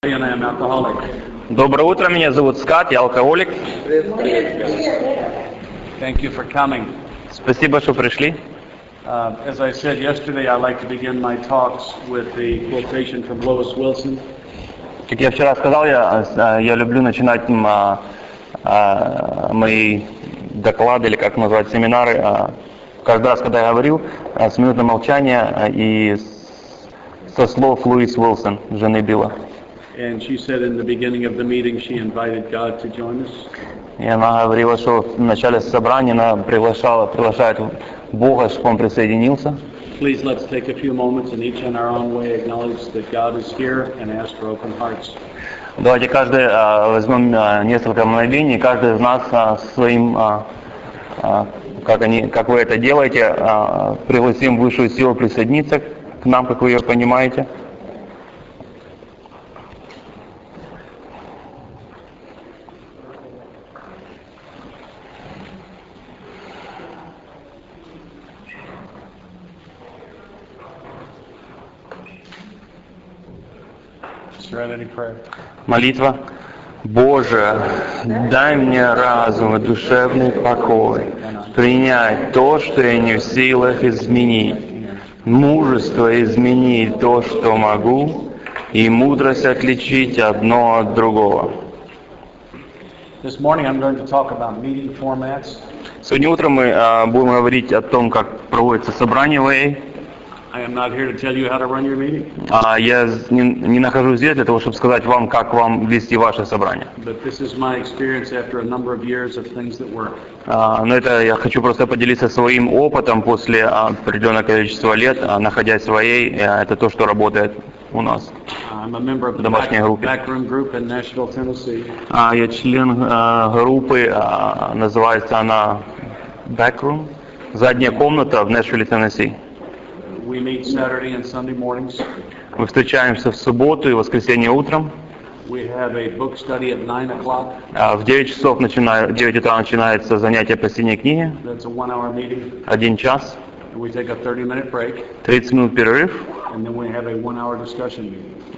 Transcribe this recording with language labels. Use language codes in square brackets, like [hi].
[ru] Доброе утро, меня зовут Скат, я алкоголик. [en] Thank you for coming. [ru] Спасибо, что пришли. [en] As I said yesterday, I'd like to begin my talks with the quotation from Lois Wilson. [ru] Как я вчера сказал, я люблю начинать мои доклады, или как назвать, семинары, каждый раз, когда я говорил, с минуты молчания и со слов Луис Уилсон, жены Билла. [en] And she said in the beginning of the meeting she invited God to join us. [ru] И она говорила, что в начале собрания она приглашает Бога, чтобы он присоединился. [en] Please let's take a few moments and each in our own way acknowledge that God is here and ask for open hearts. [ru] Давайте каждый возьмем несколько мгновений, каждый из нас своим, как вы это делаете, пригласим высшую силу присоединиться к нам, как вы ее понимаете. Молитва. Боже, дай мне разум и душевный покой принять то, что я не в силах изменить, мужество изменить то, что могу, и мудрость отличить одно от другого. Сегодня утром мы будем говорить о том, как проводится собрание в AA. [en] I am not here to tell you how to run your meeting. [ru] Я не нахожусь здесь для того, чтобы сказать вам, как вам вести ваше собрание. [en] But this is my experience after a number of years of things that work. [ru] Но это я хочу просто поделиться своим опытом после определенного количества лет, находясь своей, это то, что работает у нас. [en] I'm a member of the [ru] домашней группе. [en] Backroom group in Nashville, Tennessee. [ru] Я член группы, называется она Backroom, задняя комната в Нэшвилле, Теннесси. [en] We meet Saturday and Sunday mornings. [ru] Мы встречаемся в субботу и воскресенье утром. [en] We have a book study at 9 o'clock. [ru] В 9 часов начинается, 9 утра начинается занятие последней книги. [en] That's a one-hour meeting. [ru] 1 час. [en] And we take a 30-minute break. [ru] 30 минут перерыв. [en] And then we have a one-hour discussion meeting.